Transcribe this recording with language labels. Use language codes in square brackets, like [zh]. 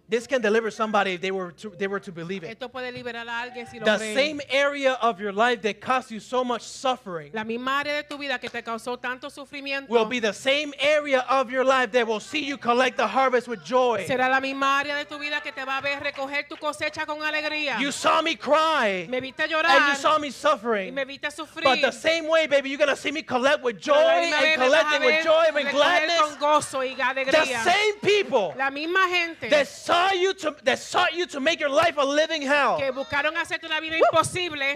[en] This can deliver somebody if they were to believe it. [es] Esto puede liberar a alguien si lo the cree. [en] Same area of your life that caused you so much suffering [es] la misma área de tu vida que te causó tanto sufrimiento [en] will be the same area of your life that will see you collect the harvest with joy. [es] Será la misma área de tu vida que te va a ver recoger tu cosecha con alegría. [en] You saw me cry [es] me viste llorar, [en] and you saw me suffering [es] y me viste sufrir. [en] But the same way, baby, you're gonna see me collect with joy and collecting with joy and gladness. The same people [es] la misma gente [en] that sought you to make your life a living hell [es] que buscaron hacerte una vida imposible